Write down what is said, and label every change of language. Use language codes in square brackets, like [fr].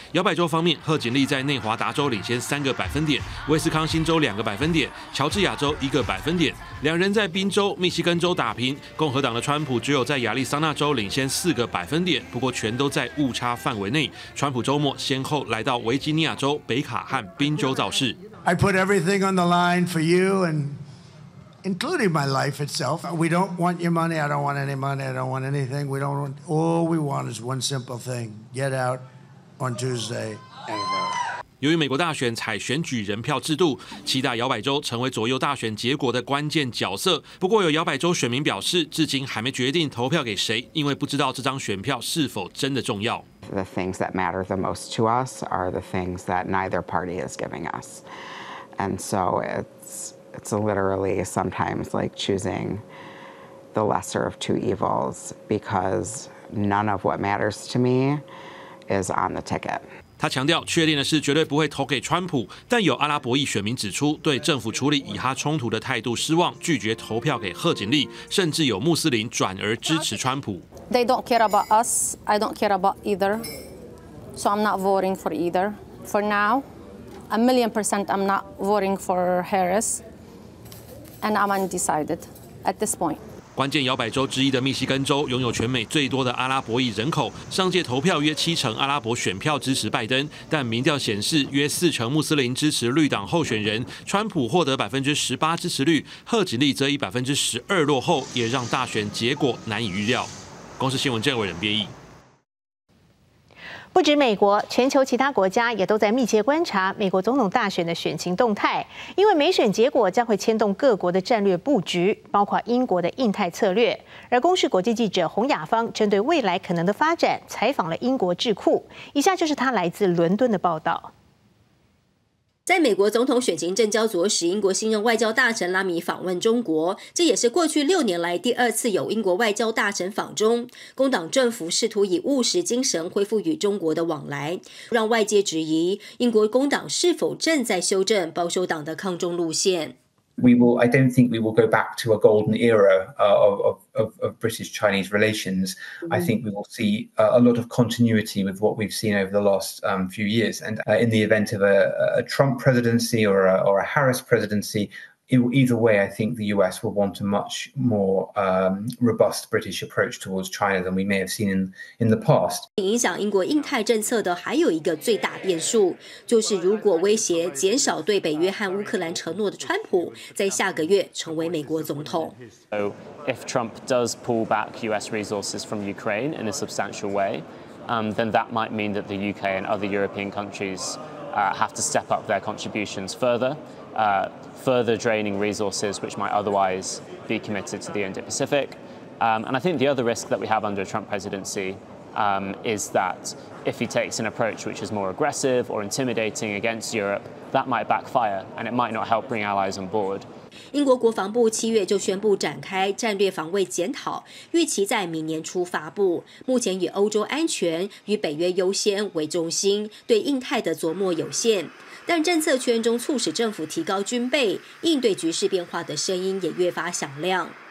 [zh] 摇摆州方面，贺锦丽在内华达州领先3个百分点，威斯康星州2个百分点，乔治亚州1个百分点。两人在宾州、密西根州打拼，共和党的川普只有在亚利桑那州领先4个百分点，不过全都在误差范围内。川普周末先后来到维吉尼亚州、北卡和宾州造势。 [en] I put everything on the line for you and. Including my life itself. We don't want your money. I don't want any money. I don't want anything. We don't want. All we want is one simple thing. Get out on Tuesday and vote. [zh] 由于美国大选采选举人票制度，七大摇摆州成为左右大选结果的关键角色。不过，有摇摆州选民表示，至今还没决定投票给谁，因为不知道这张选票是否真的重要。 [en] The things that matter the most to us are the things that neither party is giving us, and so it's literally sometimes like choosing the lesser of two evils because none of what matters to me is on the ticket. [zh] 他强调，确定的是绝对不会投给川普，但有阿拉伯裔选民指出，对政府处理以哈冲突的态度失望，拒绝投票给贺锦丽，甚至有穆斯林转而支持川普。 [en] They don't care about us. I don't care about either. So I'm not voting for either for now. 1,000,000% I'm not voting for Harris, and I'm undecided at this point. [zh] 关键摇摆州之一的密西根州拥有全美最多的阿拉伯裔人口，上届投票约70%阿拉伯选票支持拜登，但民调显示约40%穆斯林支持绿党候选人。川普获得18%支持率，贺锦丽则以12%落后，也让大选结果难以预料。公视新闻郑伟仁编译。不止美国，全球其他国家也都在密切观察美国总统大选的选情动态，因为美选结果将会牵动各国的战略布局，包括英国的印太策略。而公视国际记者洪雅芳针对未来可能的发展采访了英国智库，以下就是他来自伦敦的报道。在美国总统选情正焦灼时，英国新任外交大臣拉米访问中国，这也是过去6年来第二次有英国外交大臣访中。工党政府试图以务实精神恢复与中国的往来，让外界质疑英国工党是否正在修正保守党的抗中路线。 [en] I don't think we will go back to a golden era of British-Chinese relations. I think we will see a lot of continuity with what we've seen over the last few years. And in the event of a Trump presidency or a Harris presidency, Either way, I think the US will want a much more robust British approach towards China than we may have seen in the past. [zh] 影响英国印太政策的还有一个最大变数，就是如果威胁减少对北约和乌克兰承诺的川普，在下个月成为美国总统。 [en] So if Trump does pull back US resources from Ukraine in a substantial way, then that might mean that the UK and other European countries have to step up their contributions further. Further draining resources which might otherwise be committed to the Indo-Pacific. And I think the other risk that we have under a Trump presidency is that if he takes an approach which is more aggressive or intimidating against Europe, that might backfire and it might not help bring allies on board. [zh] 英国国防部七月就宣布展开战略防卫检讨，预期在明年初发布。目前以欧洲安全与北约优先为中心，对印太的琢磨有限。但政策圈中促使政府提高军备，应对局势变化的声音也越发响亮。